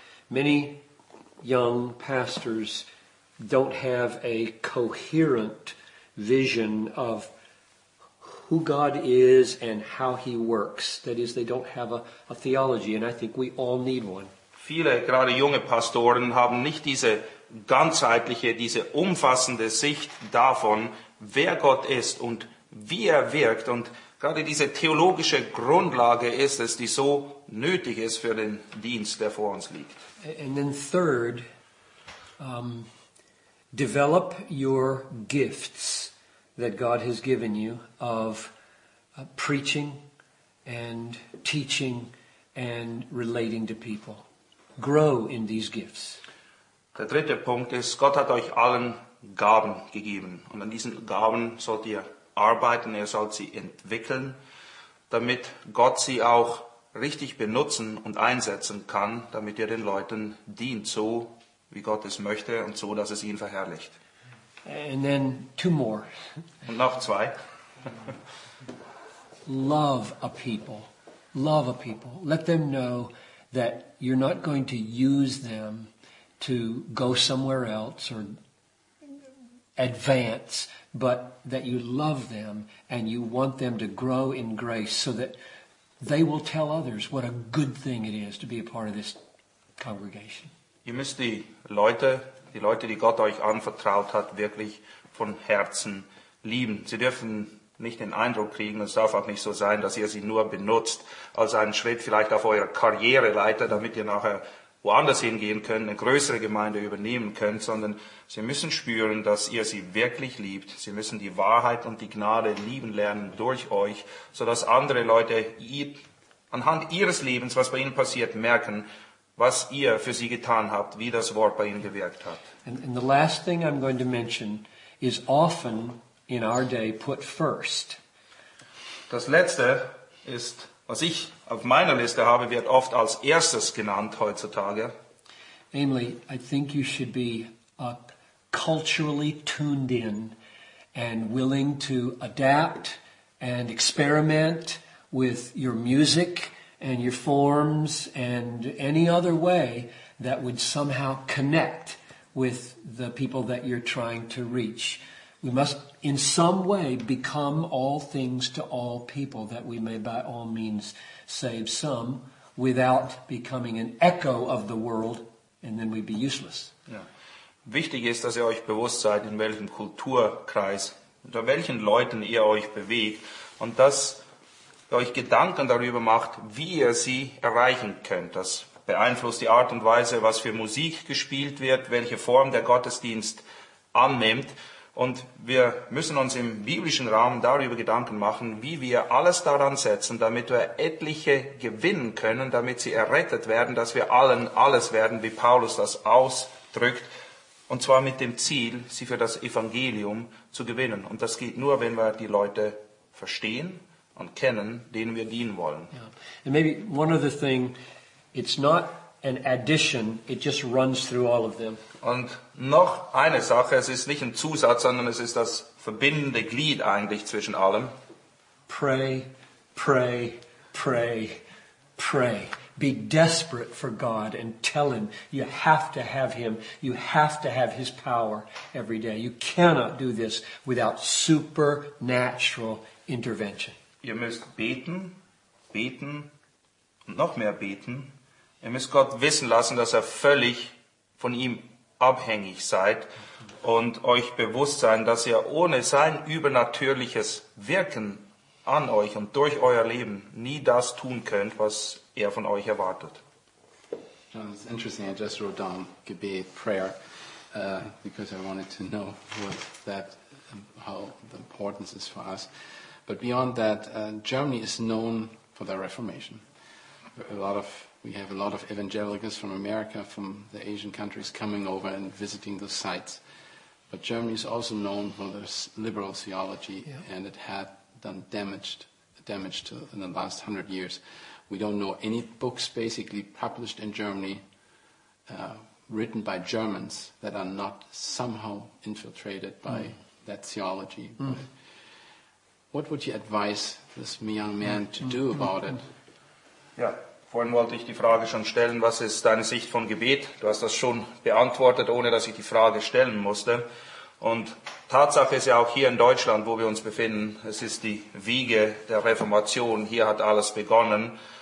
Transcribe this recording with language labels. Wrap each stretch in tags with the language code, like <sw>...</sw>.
<en>Many young pastors don't have a coherent vision of who God is and how he works. That is, they don't have a theology, and I think we all need one.</en> <de>Viele, gerade junge Pastoren, haben nicht diese ganzheitliche, diese umfassende Sicht davon, wer Gott ist und wie er wirkt. Und gerade diese theologische Grundlage ist es, die so nötig ist für den Dienst, der vor uns liegt.</de> <en>And then third, develop your gifts that God has given you of preaching and teaching and relating to people. Grow in these gifts.</en> <de>Der dritte Punkt ist, Gott hat euch allen Gaben gegeben. Und an diesen Gaben sollt ihr arbeiten, ihr sollt sie entwickeln, damit Gott sie auch richtig benutzen und einsetzen kann, damit ihr den Leuten dient, so wie Gott es möchte und so, dass es ihn verherrlicht.</de> <en>And then two more.</en> <de>Und noch zwei.</de> <en>Love a people. Love a people. Let them know that you're not going to use them to go somewhere else or advance, but that you love them and you want them to grow in grace so that they will tell others what a good thing it is to be a part of this congregation.</en> <de>Ihr müsst die Leute, die Gott euch anvertraut hat, wirklich von Herzen lieben. Sie dürfen nicht den Eindruck kriegen, es darf auch nicht so sein, dass ihr sie nur benutzt als einen Schritt vielleicht auf eurer Karriereleiter, damit ihr nachher woanders hingehen könnt, eine größere Gemeinde übernehmen könnt, sondern sie müssen spüren, dass ihr sie wirklich liebt. Sie müssen die Wahrheit und die Gnade lieben lernen durch euch, sodass andere Leute anhand ihres Lebens, was bei ihnen passiert, merken, was ihr für sie getan habt, wie das Wort bei ihnen gewirkt hat.</de> <en>And the last thing I'm going to mention is often in our day put first.</en> <de>Das letzte ist, was ich auf meiner Liste habe, wird oft als erstes genannt heutzutage.</de> <en>Namely, I think you should be culturally tuned in and willing to adapt and experiment with your music and your forms and any other way that would somehow connect with the people that you're trying to reach. We must in some way become all things to all people, that we may by all means save some without becoming an echo of the world, and then we'd be useless.</en> <de>Ja. Wichtig ist, dass ihr euch bewusst seid, in welchem Kulturkreis, unter welchen Leuten ihr euch bewegt, und dass ihr euch Gedanken darüber macht, wie ihr sie erreichen könnt. Das beeinflusst die Art und Weise, was für Musik gespielt wird, welche Form der Gottesdienst annimmt. Und wir müssen uns im biblischen Rahmen darüber Gedanken machen, wie wir alles daran setzen, damit wir etliche gewinnen können, damit sie errettet werden, dass wir allen alles werden, wie Paulus das ausdrückt, und zwar mit dem Ziel, sie für das Evangelium zu gewinnen. Und das geht nur, wenn wir die Leute verstehen und kennen, denen wir dienen wollen.</de> <en>Yeah. And maybe one other thing, it's not an addition, it just runs through all of them.</en> <de>Und noch eine Sache, es ist nicht ein Zusatz, sondern es ist das verbindende Glied eigentlich zwischen allem.</de> <en>Pray, pray, pray, pray. Be desperate for God and tell him you have to have him, you have to have his power every day. You cannot do this without supernatural intervention.</en> <de>Ihr müsst beten, beten und noch mehr beten. Ihr müsst Gott wissen lassen, dass ihr völlig von ihm abhängig seid und euch bewusst sein, dass ihr ohne sein übernatürliches Wirken an euch und durch euer Leben nie das tun könnt, was er von euch erwartet.</de> <en>It's interesting, I just wrote down Gebet, prayer, because I wanted to know what that, how the importance is for us. But beyond that, Germany is known for the Reformation. We have a lot of evangelicals from America, from the Asian countries coming over and visiting the sites. But Germany is also known for this liberal theology, yeah. And it had done damage to, in the last 100 years. We don't know any books basically published in Germany, written by Germans, that are not somehow infiltrated by that theology. Mm. What would you advise this young man to do about it? Yeah.</en> <de>Vorhin wollte ich die Frage schon stellen, was ist deine Sicht von Gebet? Du hast das schon beantwortet, ohne dass ich die Frage stellen musste. Und Tatsache ist ja auch hier in Deutschland, wo wir uns befinden, es ist die Wiege der Reformation, hier hat alles begonnen.</de>